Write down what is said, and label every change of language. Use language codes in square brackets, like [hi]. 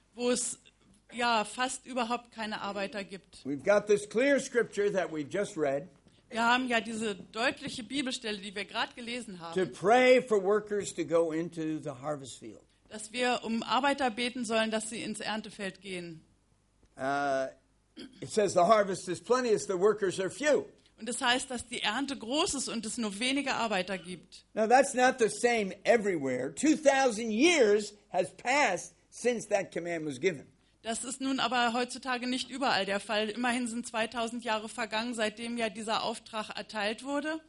[de] Wo es ja fast überhaupt keine Arbeiter gibt. [en] We've got this clear scripture that we've just read. [de] Wir haben ja diese deutliche Bibelstelle, die wir gerade gelesen haben. [en] To pray for workers to go into the harvest field. [de] Dass wir um Arbeiter beten sollen, dass sie ins Erntefeld gehen. [en] It says the harvest is plenteous, the workers are few. [de] Und es heißt, dass die Ernte groß ist und es nur wenige Arbeiter gibt. [en] Now that's not the same everywhere. 2000 years has passed since that command was given. [de] Das ist nun aber heutzutage nicht überall der Fall. Immerhin sind 2000 Jahre vergangen, seitdem ja dieser Auftrag erteilt wurde.